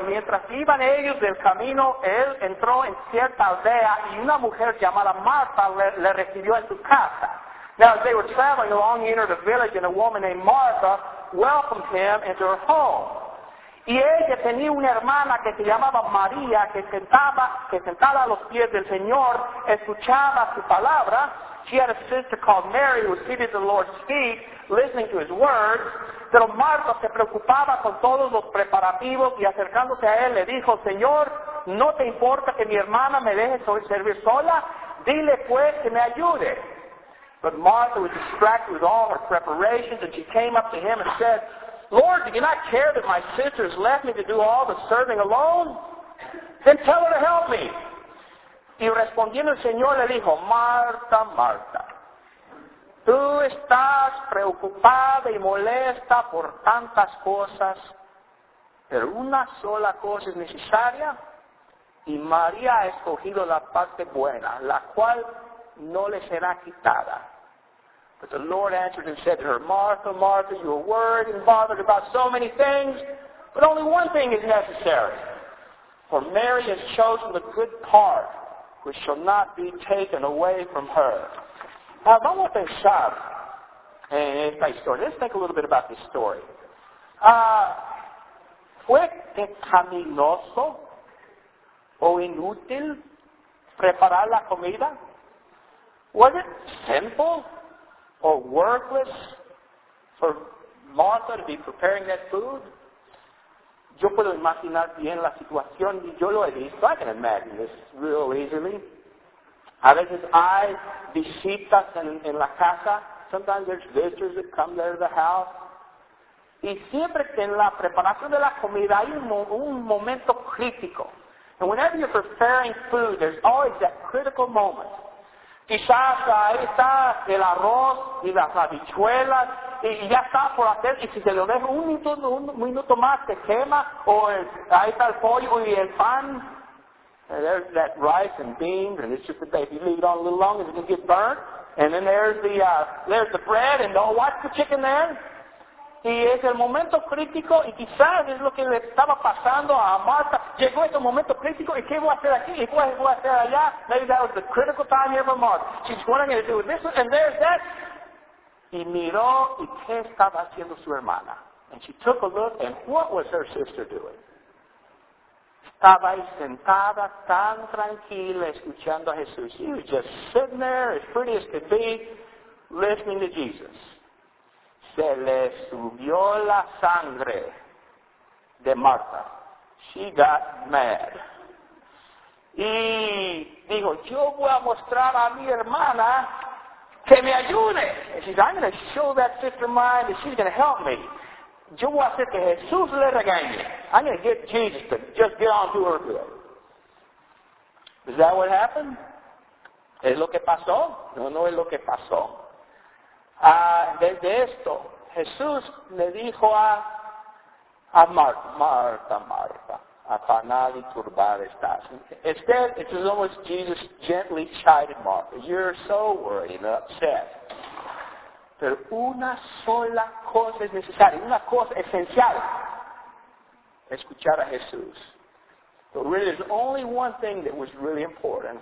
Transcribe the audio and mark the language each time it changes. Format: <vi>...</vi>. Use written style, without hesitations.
<es>Mientras iban ellos del camino, él entró en cierta aldea y una mujer llamada Martha le recibió en su casa.</es> <en>Now, as they were traveling along, he entered a village and a woman named Martha welcomed him into her home.</en> <es>Y ella tenía una hermana que se llamaba María, que sentada a los pies del Señor, escuchaba su palabra.</es> <en>She had a sister called Mary who was seated at the Lord's feet, listening to his word.</en> <es>Pero Marta se preocupaba con todos los preparativos y acercándose a él le dijo, Señor, ¿no te importa que mi hermana me deje servir sola? Dile pues que me ayude.</es> <en>But Martha was distracted with all her preparations and she came up to him and said, Lord, do you not care that my sister has left me to do all the serving alone? Then tell her to help me.</en> <es>Y respondiendo el Señor le dijo, Marta, Marta, tú estás preocupada y molesta por tantas cosas, pero una sola cosa es necesaria, y María ha escogido la parte buena, la cual no le será quitada.</es> <en>But the Lord answered and said to her, Martha, Martha, you are worried and bothered about so many things, but only one thing is necessary. For Mary has chosen the good part, which shall not be taken away from her.</en> <es>Now, vamos a pensar en esta historia.</es> <en>Let's think a little bit about this story.</en> <es>¿Fue pecaminoso o inútil preparar la comida?</es> <en>Was it sinful or worthless for Martha to be preparing that food?</en> <es>Yo puedo imaginar bien la situación y yo lo he visto.</es> <en>I can imagine this real easily.</en> <es>A veces hay visitas en la casa.</es> <en>Sometimes there's visitors that come there to the house.</en> <es>Y siempre que en la preparación de la comida hay un momento crítico.</es> <en>And whenever you're preparing food, there's always that critical moment.</en> <es>Quizás ahí está el arroz y las habichuelas y ya está por hacer y si se lo deja un minuto más se quema o ahí está el pollo y el pan.</es> <en>And there's that rice and beans and it's just that if you leave it on a little longer it's going to get burnt. And then there's the bread and oh, what's the chicken there?</en> <es>Y es el momento crítico y quizás es lo que le estaba pasando a Marta. Llegó ese momento crítico y ¿qué voy a hacer aquí? ¿Y qué voy a hacer allá?</es> <en>Maybe that was the critical time here for Marta. She's wondering what I'm going to do with this one, and there's that.</en> <es>Y miró y ¿qué estaba haciendo su hermana?</es> <en>And she took a look and what was her sister doing?</en> <es>Estaba ahí sentada tan tranquila escuchando a Jesús.</es> <en>She was just sitting there as pretty as could be listening to Jesus.</en> <es>Se le subió la sangre de Marta.</es> <en>She got mad.</en> <es>Y dijo, yo voy a mostrar a mi hermana que me ayude.</es> <en>And she said, I'm going to show that sister of mine that she's going to help me.</en> <es>Yo voy a hacer que Jesús le regañe.</es> <en>I'm going to get Jesus to just get on to her bill. Is that what happened?</en> <es>¿Es lo que pasó? No, no es lo que pasó. Desde esto, Jesús le dijo a Marta, Marta, Marta, afanada y turbada estás.</es> <en>Instead, it's as though Jesus gently chided Martha. You're so worried and upset.</en> <es>Pero una sola cosa es necesaria, una cosa esencial. Escuchar a Jesús.</es> <en>But really, there's only one thing that was really important.</en>